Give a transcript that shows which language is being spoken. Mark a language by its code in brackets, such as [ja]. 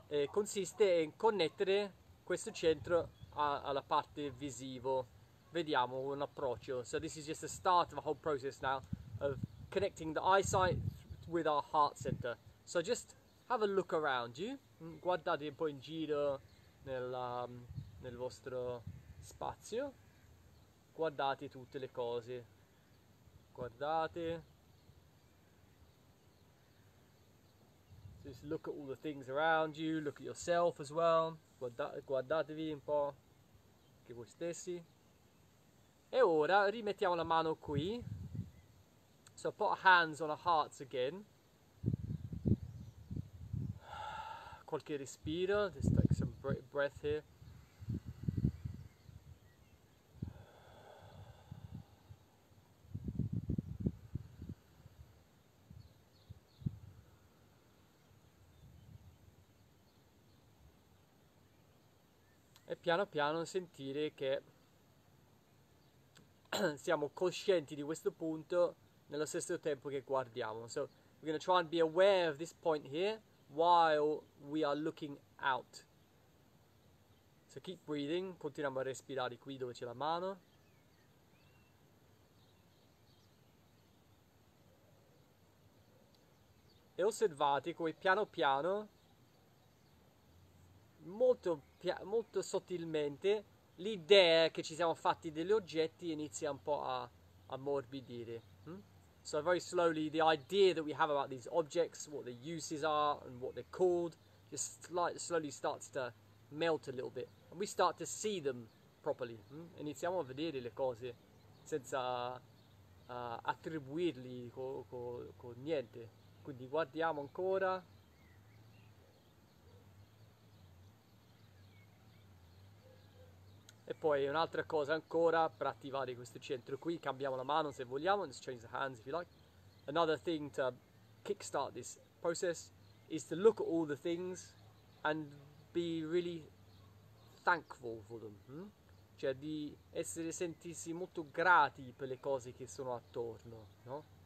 [it] Consiste in connettere questo centro alla parte visivo. Vediamo un approccio. [en] So this is just the start of a whole process now of connecting the eyesight with our heart center. So just have a look around you. [it] Guardate un po' in giro nel vostro spazio. Guardate tutte le cose. Guardate. [en] Just look at all the things around you. Look at yourself as well. [it] Guardatevi un po' anche voi stessi. E ora rimettiamo la mano qui. [en] So put hands on our hearts again. [it] Qualche respiro. [en] Just take some breath here. [it] E piano piano sentire che siamo coscienti di questo punto nello stesso tempo che guardiamo. [en] So, we're going to try and be aware of this point here while we are looking out. So, keep breathing, [it] continuiamo a respirare qui dove c'è la mano. E osservate come piano piano. Molto sottilmente l'idea che ci siamo fatti degli oggetti inizia un po' a ammorbidire. [en] So very slowly the idea that we have about these objects, what their uses are and what they're called, just slowly starts to melt a little bit. And we start to see them properly. [it] Iniziamo a vedere le cose senza attribuirli con niente. Quindi guardiamo ancora. E poi un'altra cosa ancora per attivare questo centro qui, cambiamo la mano se vogliamo, [en] let's change the hands if you like. Another thing to kickstart this process is to look at all the things and be really thankful for them. [it] Cioè di essere sentirsi molto grati per le cose che sono attorno, no?